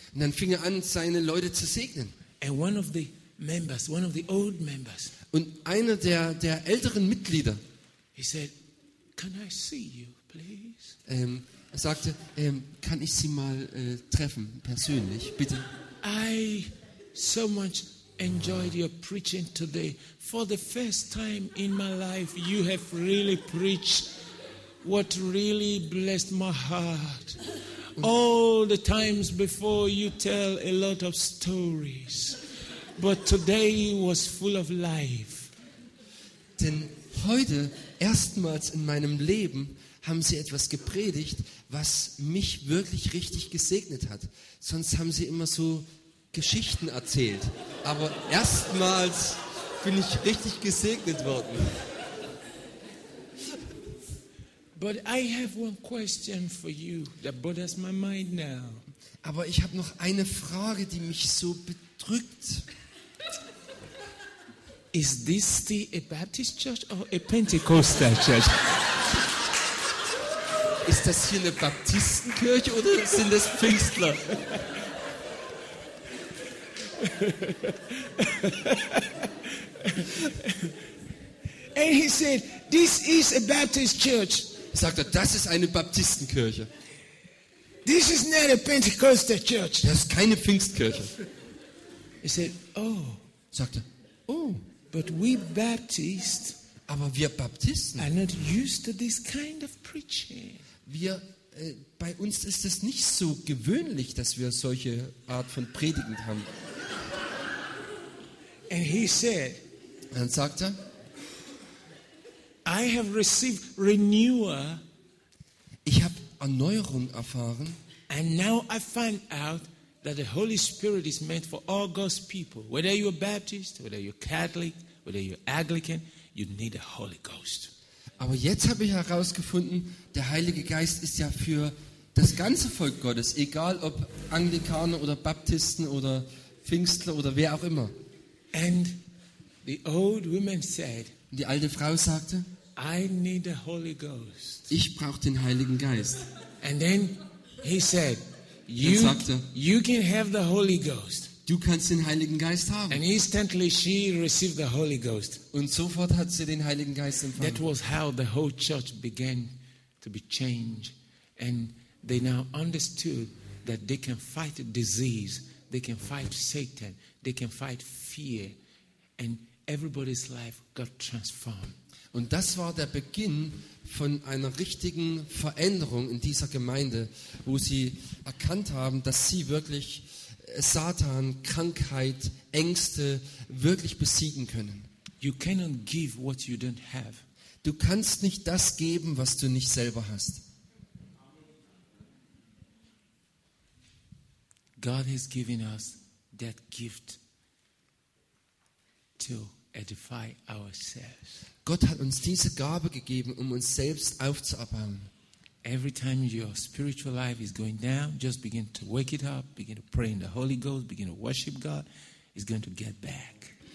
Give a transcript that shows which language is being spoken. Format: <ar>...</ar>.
<de>Und dann fing er an, seine Leute zu segnen.</de> <en>And one of the members, one of the old members,</en> <de>und einer der älteren Mitglieder,</de> <en>he said, "Can I see you, please?"</en> <de>Er sagte, kann ich Sie mal treffen persönlich, bitte?</de> <en>I so much enjoyed your preaching today. For the first time in my life, you have really preached what really blessed my heart. All the times before, you tell a lot of stories, but today was full of life.</en> <de>Denn heute, erstmals in meinem Leben, haben Sie etwas gepredigt, was mich wirklich richtig gesegnet hat. Sonst haben Sie immer so Geschichten erzählt. Aber erstmals bin ich richtig gesegnet worden.</de> <en>But I have one question for you that bothers my mind now.</en> <de>Aber ich habe noch eine Frage, die mich so bedrückt.</de> <en>Is this a Baptist church or a Pentecostal church?</en> <de>Ist das hier eine Baptistenkirche oder sind das Pfingstler?</de> <en>And he said, "This is a Baptist church."</en> <de>Sagte, das ist eine Baptistenkirche.</de> <en>This is not a Pentecostal church.</en> <de>Das ist keine Pfingstkirche.</de> <en>He said, "Oh."</en> <de>Sagte, oh.</de> <en>But we Baptists.</en> <de>Aber wir Baptisten.</de> <en>Are not used to this kind of preaching.</en> <de>Bei uns ist es nicht so gewöhnlich, dass wir solche Art von Predigen haben.</de> <en>And he said,</en> <de>dann sagt er,</de> <en>I have received renewal.</en> <de>Ich habe Erneuerung erfahren.</de> <en>And now I find out that the Holy Spirit is meant for all God's people. Whether you're Baptist, whether you're Catholic, whether you're Anglican, you need the Holy Ghost.</en> <de>Aber jetzt habe ich herausgefunden, der Heilige Geist ist ja für das ganze Volk Gottes, egal ob Anglikaner oder Baptisten oder Pfingstler oder wer auch immer.</de> <en>And the old woman said,</en> <de>die alte Frau sagte,</de> <en>I need the Holy Ghost.</en> <de>Ich brauche den Heiligen Geist.</de> <en>And then he said, you can have the Holy Ghost.</en> <de>Du kannst den Heiligen Geist haben.</de> <en>And instantly she received the Holy Ghost.</en> <de>Und sofort hat sie den Heiligen Geist empfangen.</de> <en>That was how the whole church began to be changed, and they now understood that they can fight disease, they can fight Satan, they can fight fear, and everybody's life got transformed.</en> <de>Und das war der Beginn von einer richtigen Veränderung in dieser Gemeinde, wo sie erkannt haben, dass sie wirklich Satan, Krankheit, Ängste wirklich besiegen können.</de> <en>You cannot give what you don't have.</en> <de>Du kannst nicht das geben, was du nicht selber hast.</de> <en>God has given us that gift to edify ourselves.</en> <de>Gott hat uns diese Gabe gegeben, um uns selbst aufzubauen.</de> <en>Every time your spiritual life is going down, just begin to wake it up, begin to pray in the Holy Ghost, begin to worship God, it's going to get back.</en>